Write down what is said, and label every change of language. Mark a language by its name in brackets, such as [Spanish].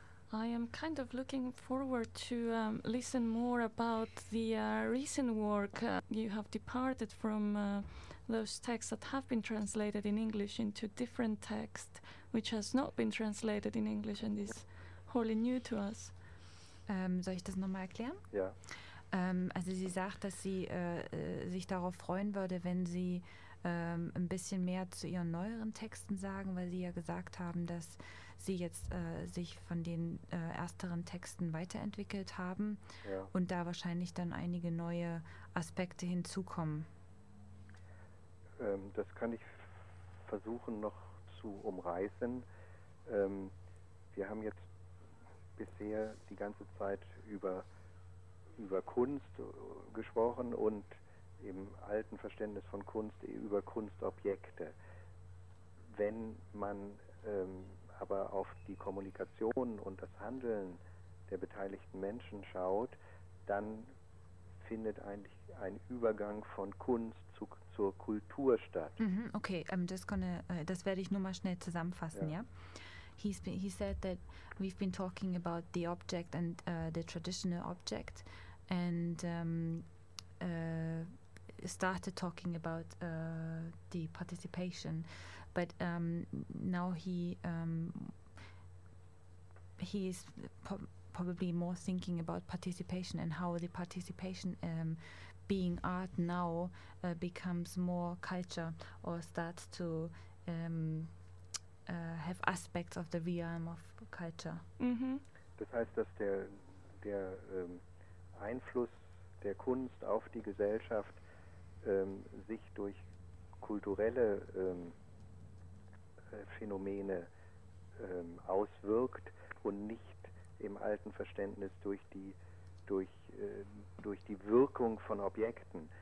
[English] I am kind of looking forward to listen more about the recent work you have departed from those texts that have been translated in English into different texts, which has not been translated in English and is wholly new to us. [German] Soll ich das nochmal erklären? Ja. Also sie sagt, dass sie sich darauf freuen würde, wenn sie ein bisschen mehr zu ihren neueren Texten sagen, weil sie ja gesagt haben, dass sie jetzt sich von den ersteren Texten weiterentwickelt haben, ja, und da wahrscheinlich dann einige neue Aspekte hinzukommen. Das kann ich versuchen noch zu umreißen. Wir haben jetzt bisher die ganze Zeit über Kunst gesprochen und im alten Verständnis von Kunst über Kunstobjekte. Wenn man aber auf die Kommunikation und das Handeln der beteiligten Menschen schaut, dann findet eigentlich ein Übergang von Kunst zur Kultur statt. Mm-hmm, okay, das werde ich nur mal schnell zusammenfassen, ja? [English] he said that we've been talking about the object and the traditional object, and started talking about the participation, but now he is probably more thinking about participation and how the participation being art now becomes more culture or starts to have aspects of the realm of culture. Mm-hmm. [German] Das heißt, dass der Einfluss der Kunst auf die Gesellschaft sich durch kulturelle Phänomene auswirkt und nicht im alten Verständnis durch die Wirkung von Objekten.